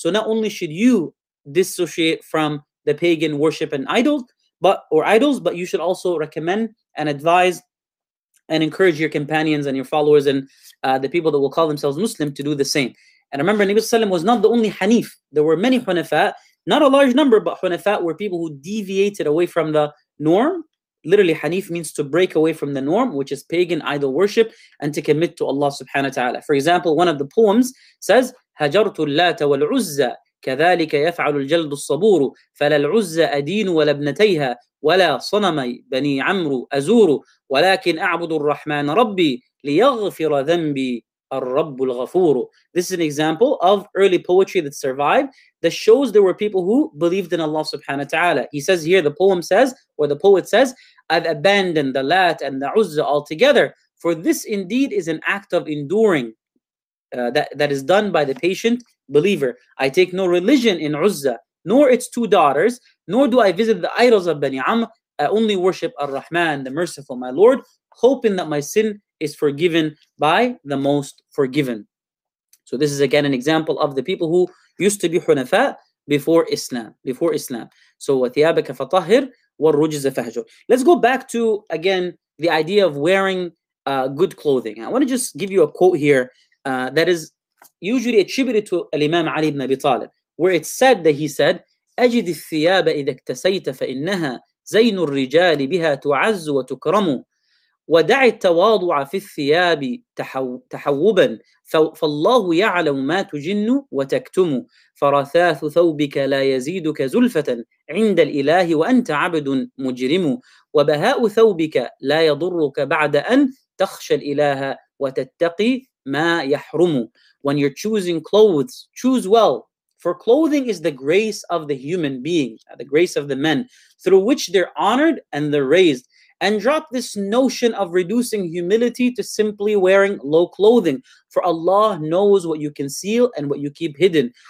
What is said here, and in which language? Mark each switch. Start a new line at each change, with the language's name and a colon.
English: So not only should you dissociate from the pagan worship and idols, but you should also recommend and advise and encourage your companions and your followers and the people that will call themselves Muslim to do the same. And remember, Nabi Sallam was not the only Hanif. There were many Hunafa, not a large number, but Hunafa were people who deviated away from the norm. Literally, Hanif means to break away from the norm, which is pagan idol worship, and to commit to Allah subhanahu wa ta'ala. For example, one of the poems says,
Arabic: هَجَرْتُ اللَّاتَ وَالْعُزَّى كَذَلِكَ يَفْعَلُ الْجَلْدُ الصَّبُورُ فَلَا الْعُزَّى أَدِينُ وَلَا ابْنَتَيْهَا وَلَا صَنَمَي بَنِي عَمْرُ أَزُورُ وَلَكِنْ أَعْبُدُ الرَّحْمَنَ رَبِّي لِيَغْفِرَ ذَنْبِي الرَّبُّ الْغَفُورُ.
English: This is an example of early poetry that survived that shows there were people who believed in Allah subhanahu wa ta'ala. He says here, the poem says, or the poet says, I've abandoned the Lat and the Uzza altogether, for this indeed is an act of enduring that is done by the patient believer. I take no religion in Uzza, nor its two daughters, nor do I visit the idols of Bani Amr. I only worship Ar-Rahman, the merciful, my Lord, hoping that my sin is forgiven by the most forgiven. So this is again an example of the people who used to be hunafa before Islam. Before Islam. So
Arabic: وَثِيَابَكَ فَطَهِرْ وَالرُّجِزَ فَهَجُرْ.
English: Let's go back to, again, the idea of wearing good clothing. I want to just give you a quote here that is usually attributed to Imam Ali ibn Abi Talib, where it's said that he said,
Arabic: أَجِدِ الثِّيَابَ إِذَا اكْتَسَيْتَ فَإِنَّهَا زَيْنُ الرِّجَالِ بِهَا تُعَزُّ وَتُكْرَمُ وَدَعِ التَّوَاضُعَ فِي الثِّيَابِ تَحَوُّبًا فَاللَّهُ يَعْلَمُ مَا تُجِنُّ وَتَكْتُمُ فَرَثَاثُ ثَوْبِكَ لَا يَزِيدُكَ زُلْفَةً عِنْدَ الْإِلَهِ وَأَنْتَ عَبْدٌ مُجْرِمُ وَبَهَاءُ ثَوْبِكَ لَا يَضُرُّكَ بَعْدَ أَنْ تَخْشَى الْإِلَهَ وَتَتَّقِي مَا يَحْرُمُ.
English: When you're choosing clothes, choose well. For clothing is the grace of the human being, the grace of the men, through which they're honored and they're raised. And drop this notion of reducing humility to simply wearing low clothing. For Allah knows what you conceal and what you keep hidden.